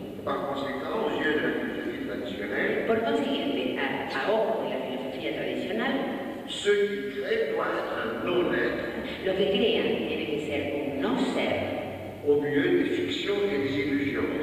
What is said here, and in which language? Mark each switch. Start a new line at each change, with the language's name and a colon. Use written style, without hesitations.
French: Par conséquent, aux yeux de la philosophie traditionnelle,
Spanish: por consiguiente, a ojos de la filosofía tradicional,
French: ce qui crée doit être un non-être,
Spanish: lo que crean tiene que ser un no ser,
French: au milieu des fictions et des illusions.